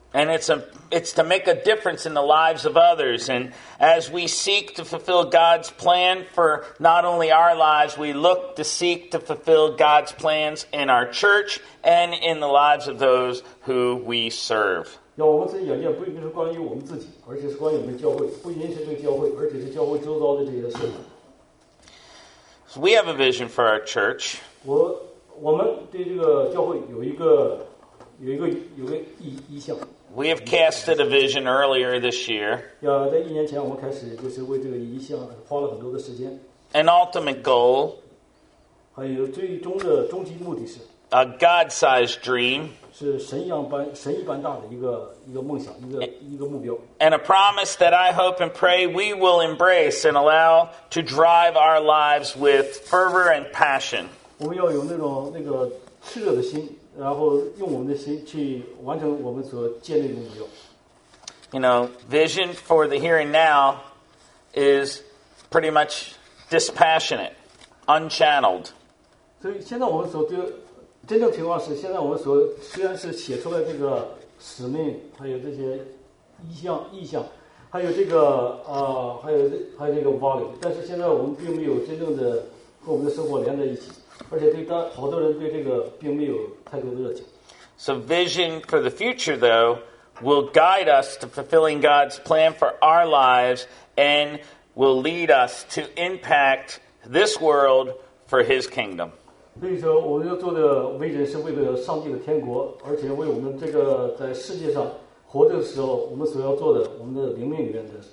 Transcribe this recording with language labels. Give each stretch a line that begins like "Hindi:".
English: And it's to make a difference in the lives of others. And as we seek to fulfill God's plan for not only our lives, we look to seek to fulfill God's plans in our church and in the lives of those who we serve.
Chinese: 要我们自己眼睛不仅是关于我们自己，而且是关于我们教会，不仅是这个教会，而且是教会周遭的这些事。
English: So we have a vision for our church.
Chinese: 我们对这个教会有一个意向。
English: We have casted a vision earlier this year.
Chinese: Yeah, 在一年前我们开始就是为这个意向花了很多的时间。
English: An ultimate goal.
Chinese: 还有最终的终极目的是。
English: A God-sized dream.
Chinese: 是神一般大的一个梦想，一个目标。
English: And a promise that I hope and pray we will embrace and allow to drive our lives with fervor and passion.
Chinese: 我们要有那个炽热的心。然后用我们的心去完成我们所建立的目标。
English: You know, vision for the here and now is pretty much dispassionate, unchanneled.
Chinese: 所以现在我们所的真正情况是，现在我们所虽然是写出了这个使命，还有这些意向，还有这个还有这个 volume， 但是现在我们并没有真正的和我们的生活连在一起。而且好多人对这个并没有太多的热情。
English: So vision for the future, though, will guide us to fulfilling God's plan for our lives and will lead us to impact this world for His kingdom.
Chinese: 所以说，我们要做的 vision 是为了上帝的天国，而且为我们这个在世界上活着的时候，我们所要做的，我们的灵命里面的。